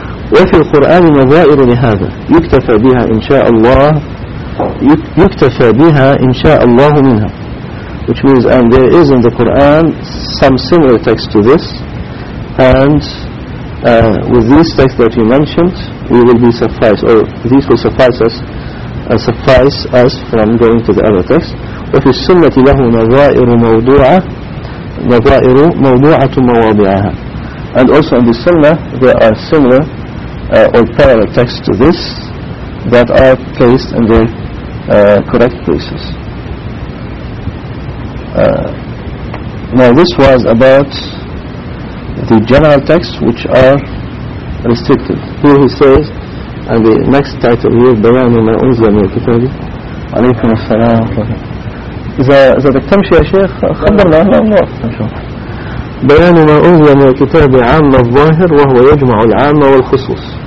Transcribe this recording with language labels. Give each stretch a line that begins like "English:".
Arabic: وفي القرآن نظائر لهذا يكتفى بها إن شاء الله يكتفى بها إن شاء الله منها,
English: which means and there is in the Quran some similar text to this, and with these texts that you mentioned we will be suffice, or these will suffice us from going to the other text.
Arabic: وفي السنة له نظائر موضوعة نظائر موضوعة مواضعها.
English: And also in the Sunnah there are similar or parallel texts to this that are placed in the correct places. Now this was about the general texts which are restricted. Here he says, and the next title here,
Arabic: بيان ما أنزل من الكتاب. عليكم السلام ورحمة الله. إذا بدك تمشي يا شيخ خبرنا. بيان ما أنزل من الكتاب عام الظاهر وهو يجمع العام والخصوص.